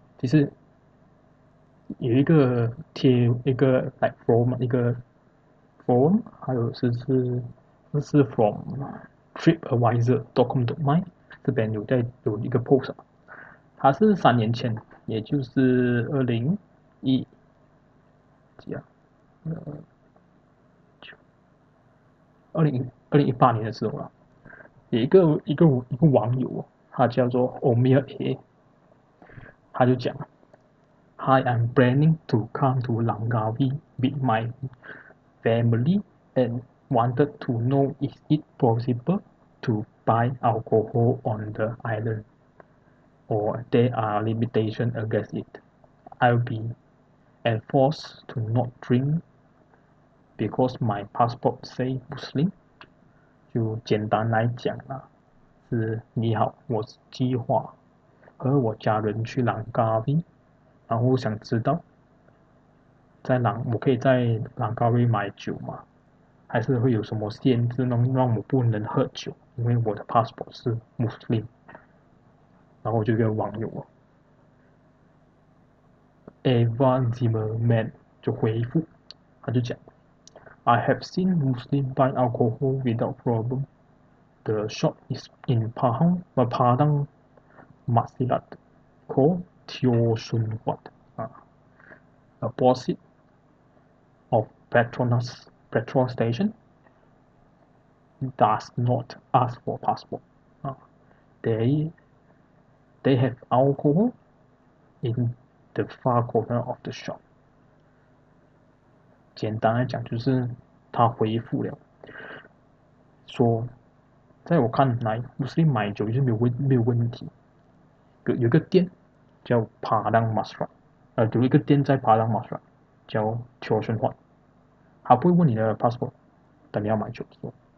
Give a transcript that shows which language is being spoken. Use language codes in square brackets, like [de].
[zh] 其实有一个贴，一个 like forum，一个 forum，还有是 from TripAdvisor.com.my 这边有一个 post。它是3年前，也就是2021几啊，2018年的时候了。有一个网友，他叫做 Omir A，他就讲：“ [en] Hi, I'm planning to come to Langkawi with my family and wanted to know is it possible to buy alcohol on the island?” Or there are limitations against it. I'll be enforced to not drink because my passport say Muslim. [zh] 就简单来讲啊，是你好，我是计划和我家人去朗加威，然后想知道我可以在朗加威买酒吗？还是会有什么限制能让我不能喝酒？因为我的 passport 是 Muslim。然后我就一个网友，Evan Zimmerman 就回复，他就讲： [en] “I have seen Muslim buy alcohol without problem. The shop is in Padang Masjid called Teo Soon Huat. Opposite of petrol station does not ask for passport. They have alcohol in the far corner of the shop。 [zh] 简单来讲，就是他回复了，说，在我看来，不是买酒就是没有问题。有一个店叫 Padang Masjid，有一个店在 Padang Masjid 叫 Teo Soon Huat，他不会问你的 passport，等你要买酒的时候。